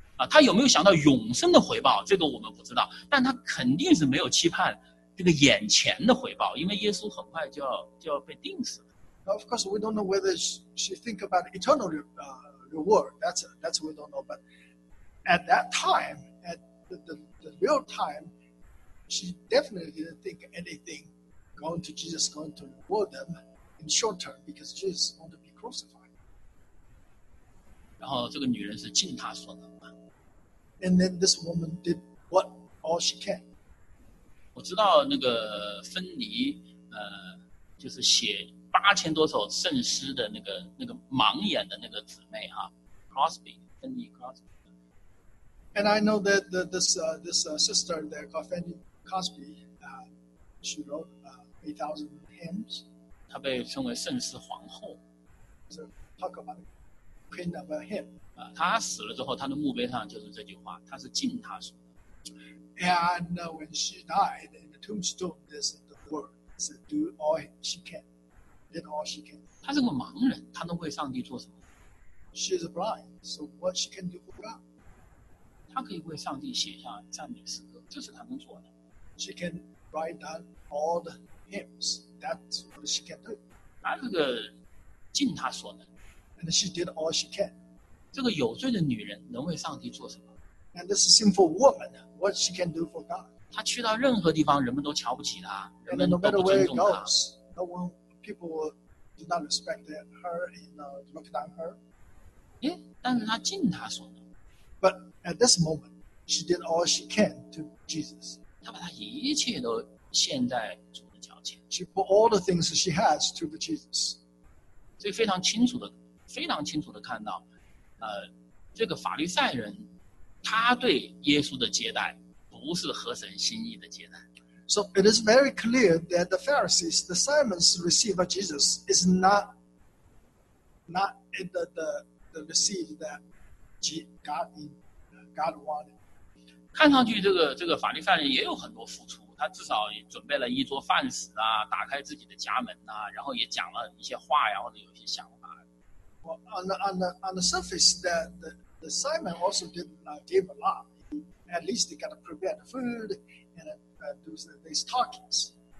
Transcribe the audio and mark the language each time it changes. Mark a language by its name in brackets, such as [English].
[Chinese] 她有没有想到永生的回报，这个我们不知道，但她肯定是没有期盼这个眼前的回报，因为耶稣很快就要被钉死了。 [English] Of course, we don't know whether she think about eternal reward. That's we don't know. But at that time, at the real time, she definitely didn't think anything. Going to Jesus, going to reward them in short term because Jesus is going to be crucified. [Chinese] 然后这个女人是尽她所能的。 [English] And then this woman did what all she can. [Chinese] 我知道那个芬妮，就是写8000多首圣诗的那个盲眼的那个姊妹哈 ，Crosby， 芬妮 Crosby。 [English] And I know that this sister there called Fanny Crosby, she wrote. 8,000 hymns. [Chinese] 她被称为圣诗皇后。 [English] So talk about queen of a hymn. [Chinese] 她死了之后，她的墓碑上就是这句话，她是尽她所能。 [English] And when she died, in the tombstone, there's the word, said, "Do all she can, did all she can." [Chinese] 她是个盲人，她能为上帝做什么 [English] ？She's blind, so what she can do for God? [Chinese] 她可以为上帝写下赞美诗歌，这是她能做的。 [English] She can write down all the hymns. That's what she can do. [Chinese] 她这个尽她所能。 [English] And she did all she can. [Chinese] 这个有罪的女人能为上帝做什么 [English] ？And this sinful woman, what she can do for God? [Chinese] 她去到任何地方，人们都瞧不起她，人们都不尊重她。 [English] No one, people do not respect her, look down her. [Chinese] 但是她尽她所能。 [English] But at this moment, she did all she can to Jesus. [Chinese] 她把她一切都献在。 [English] She put all the things she has to the Jesus. [Chinese] 所以非常清楚的，非常清楚的看到，这个法利赛人，他对耶稣的接待不是合神心意的接待。 [English] So it is very clear that the Pharisees, the Simons receive of Jesus is not the receive that God wanted. [Chinese] 看上去这个法利赛人也有很多付出。他至少也准备了一桌饭食啊，打开自己的家门啊，然后也讲了一些话呀，或者有些想法。 [English] Well, on the surface, that the Simon also did gave a lot. At least they got to prepare the food and do these talkings.